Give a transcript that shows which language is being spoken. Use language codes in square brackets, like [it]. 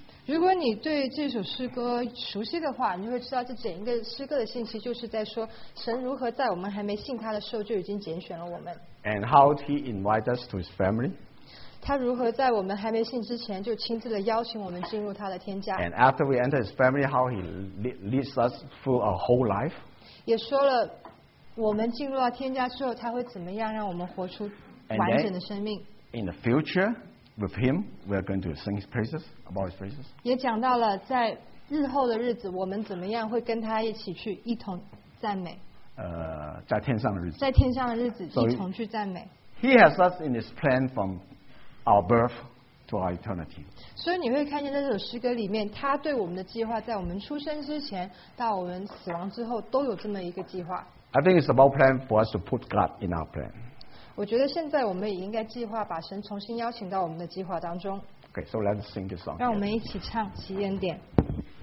[zh] 如果你对这首诗歌熟悉的话，你会知道这整一个诗歌的信息就是在说神如何在我们还没信他的时候就已经拣选了我们。 [en] And how he invited us to his family. [zh] 他如何在我们还没信之前就亲自的邀请我们进入他的天家。 [en] And after we enter his family, how he leads us through our whole life. [zh] 也说了我们进入到天家之后，他会怎么样让我们活出完整的生命 [en] then, ？In the future, with him, we are going to sing his praises about his praises. [zh] 也讲到了在日后的日子，我们怎么样会跟他一起去一同赞美？在天上的日子，在天上的日子一同去赞美。 [en] So、he has us in his plan from our birth to our eternity. [zh] 所以你会看见这首诗歌里面，他对我们的计划，在我们出生之前到我们死亡之后，都有这么一个计划。 [en] I think it's about plan for us to put God in our plan. [zh] 我觉得现在我们也应该计划把神重新邀请到我们的计划当中。 [en] Okay, so let's sing this song. [zh] 让我们一起唱《奇异恩典》。